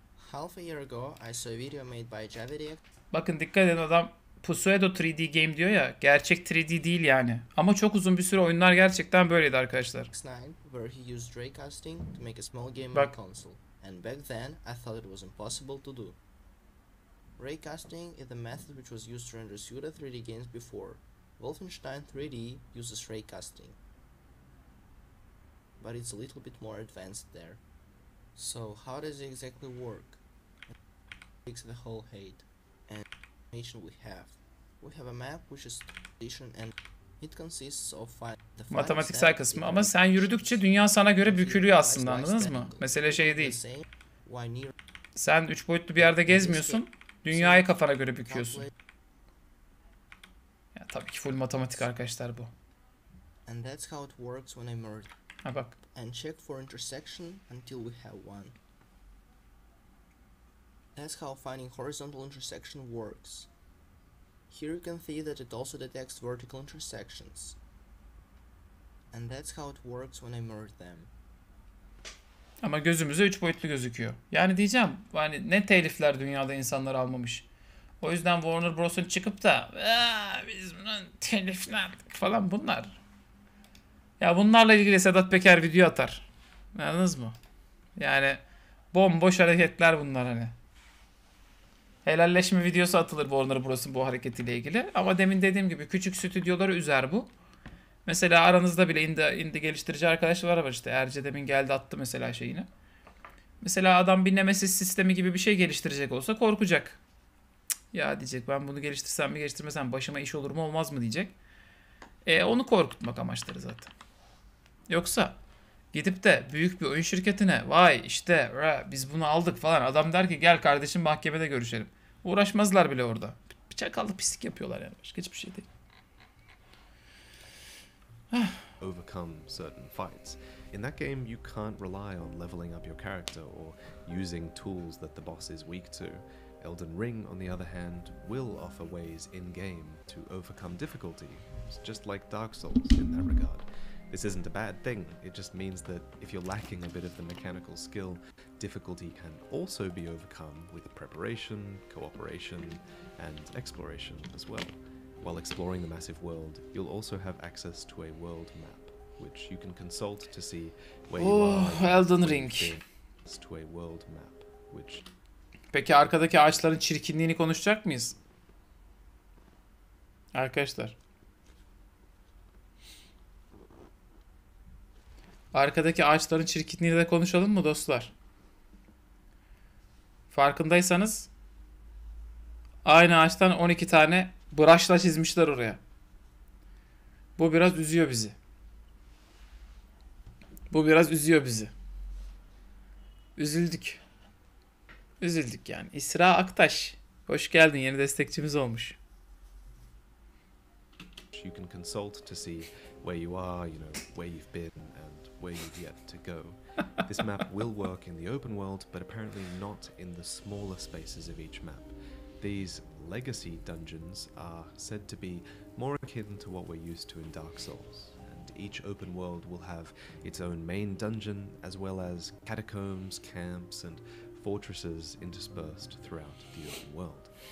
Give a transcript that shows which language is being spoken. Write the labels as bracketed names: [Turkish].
[English] Half a year ago I saw a video made by Javidia. [Turkish] Bakın dikkat edin adam. [English] Pseudo 3D game [Turkish] diyor ya, gerçek 3D değil yani. Ama çok uzun bir süre oyunlar gerçekten böyleydi arkadaşlar. [English] Where he used ray casting to make a small game on console. And back then, I thought it was impossible to do. Ray casting is the method which was used to render pseudo 3D games before. Wolfenstein 3D uses ray casting. But it's a little bit more advanced there. So how does it exactly work? It takes the whole height and information we have. We have a map which is position and it consists of five [Turkish] matematiksel kısmı ama sen yürüdükçe dünya sana göre bükülüyor aslında, anladınız mı? Mesele şey değil. Sen 3 boyutlu bir yerde gezmiyorsun. Dünyayı kafana göre büküyorsun. Ya tabii ki full matematik arkadaşlar bu. [English] And that's how it works when I merge. [Turkish] Ha bak. [English] And check for intersection until we have one. That's how finding horizontal intersection works. Here you can see that it also detects vertical intersections. And that's how it works when I merge them. [Turkish] Ama gözümüze 3 boyutlu gözüküyor. Yani diyeceğim, yani ne telifler dünyada insanlar almamış. O yüzden Warner Bros'un çıkıp da biz bunun telifledik falan bunlar. Ya bunlarla ilgili Sedat Peker video atar. Anladınız mı? Yani bomboş hareketler bunlar hani. Helalleşme videosu atılır Warner Bros'un bu hareketiyle ilgili. Ama demin dediğim gibi küçük stüdyoları üzer bu. Mesela aranızda bile indie geliştirici arkadaşlar var işte. Erce demin geldi attı mesela şeyini. Mesela adam bir Nemesis sistemi gibi bir şey geliştirecek olsa korkacak. Ya diyecek, ben bunu geliştirsem mi geliştirmesem başıma iş olur mu olmaz mı diyecek. Onu korkutmak amaçları zaten. Yoksa gidip de büyük bir oyun şirketine vay işte biz bunu aldık falan, adam der ki gel kardeşim mahkemede görüşelim. Uğraşmazlar bile orada. Bir çakallı pislik yapıyorlar yani. Başka hiçbir şey değil. [English] Overcome certain fights. In that game you can't rely on leveling up your character or using tools that the boss is weak to. Elden Ring on the other hand will offer ways in game to overcome difficulty. It's just like Dark Souls in that regard. This isn't a bad thing. It just means that if you're lacking a bit of the mechanical skill, difficulty can also be overcome with preparation, cooperation, and exploration as well. While exploring the massive world, you'll also have access to a world map, which you can consult to see where you are. Elden Ring. To a world map, which... [Turkish] Peki arkadaki ağaçların çirkinliğini konuşacak mıyız? Arkadaşlar. Arkadaki ağaçların çirkinliğini de konuşalım mı dostlar? Farkındaysanız aynı ağaçtan 12 tane brush'la çizmişler oraya. Bu biraz üzüyor bizi. Bu biraz üzüyor bizi. Üzüldük. Üzüldük yani. İsra Aktaş, hoş geldin. Yeni destekçimiz olmuş. [English] You can consult to see where you are, you know, where you've been and where you've yet to go. This map will work in the open world, but apparently not in the smaller spaces of each map. These legacy dungeons are said to be more akin to what we're used to in Dark Souls, and each open world will have its own main dungeon, as well as catacombs, camps, and fortresses interspersed throughout the open world.